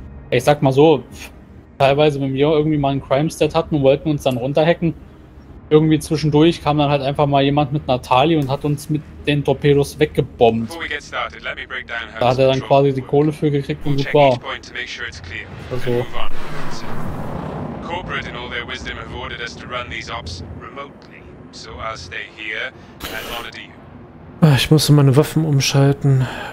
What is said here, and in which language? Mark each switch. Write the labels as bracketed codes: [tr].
[de] Ich sag mal so, teilweise, wenn wir irgendwie mal einen Crime-Stat hatten und wollten uns dann runterhacken, irgendwie zwischendurch kam dann halt einfach mal jemand mit Natalie und hat uns mit den Torpedos weggebombt. Da hat er dann quasi die Kohle für gekriegt und super. Also. [en] Corporate in all their wisdom have ordered us to run these ops remotely. So I'll stay here and monitor you. [de] Ich musste meine Waffen umschalten.